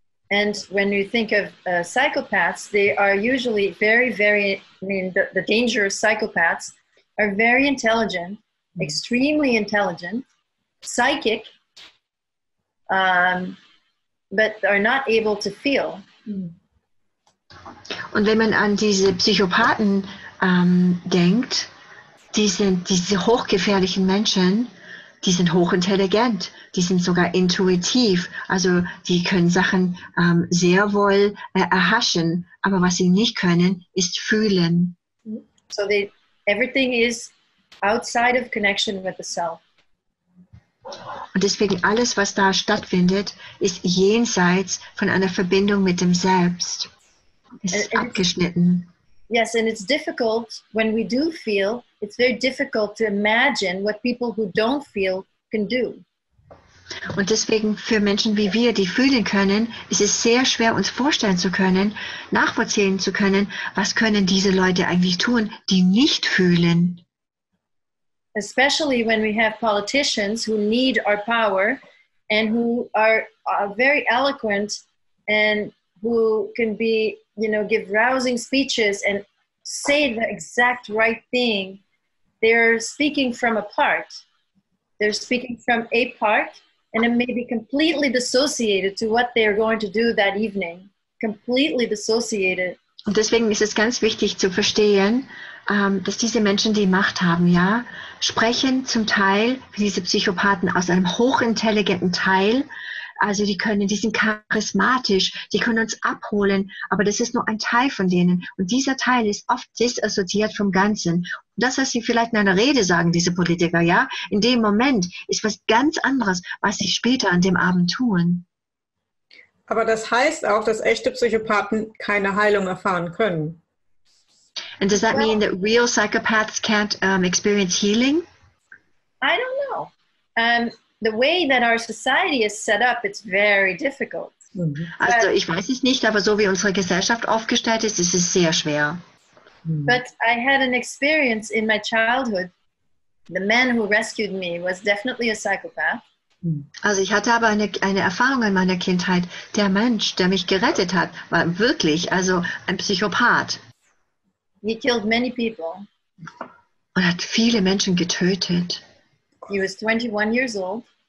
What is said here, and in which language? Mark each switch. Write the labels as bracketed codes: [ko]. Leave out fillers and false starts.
[en] And when you think of psychopaths, they are usually very, very, the dangerous psychopaths are very intelligent, extremely intelligent, psychic, but are not able to feel. [de] Und wenn man an diese Psychopathen denkt, diese hochgefährlichen Menschen, die sind hochintelligent, die sind sogar intuitiv, also die können Sachen sehr wohl erhaschen, aber was sie nicht können, ist fühlen. [en] So everything is outside of connection with the self. [de] Und deswegen alles, was da stattfindet, ist jenseits von einer Verbindung mit dem Selbst. Es ist abgeschnitten. [en] Yes, and it's difficult when we do feel, it's very difficult to imagine what people who don't feel can do. [de] Und deswegen für Menschen wie wir, die fühlen können, ist es sehr schwer uns vorstellen zu können, nachvollziehen zu können, was können diese Leute eigentlich tun, die nicht fühlen. [en] Especially when we have politicians who need our power and who are very eloquent and who can be, you know, give rousing speeches and say the exact right thing. They're speaking from a part. They're speaking from a part, and it may be completely dissociated to what they are going to do that evening. Completely dissociated. [de] Und deswegen ist es ganz wichtig zu verstehen, dass diese Menschen, die Macht haben, ja, sprechen zum Teil, wie diese Psychopathen, aus einem hochintelligenten Teil. Also die sind charismatisch, die können uns abholen, aber das ist nur ein Teil von denen. Und dieser Teil ist oft disassoziiert vom Ganzen. Und das, was sie vielleicht in einer Rede sagen, diese Politiker, ja, in dem Moment ist was ganz anderes, was sie später an dem Abend tun. Aber das heißt auch, dass echte Psychopathen keine Heilung erfahren können. [en] And does that mean that real psychopaths can't experience healing? I don't know. The way that our society is set up, it's very difficult. [de] Also ich weiß es nicht, aber so wie unsere Gesellschaft aufgestellt ist, ist es sehr schwer. [en] But I had an experience in my childhood. The man who rescued me was definitely a psychopath. [de] Also ich hatte aber eine Erfahrung in meiner Kindheit. Der Mensch, der mich gerettet hat, war wirklich also ein Psychopath. [en] He killed many people. [de] Und hat viele Menschen getötet. [en] He was 21 years old.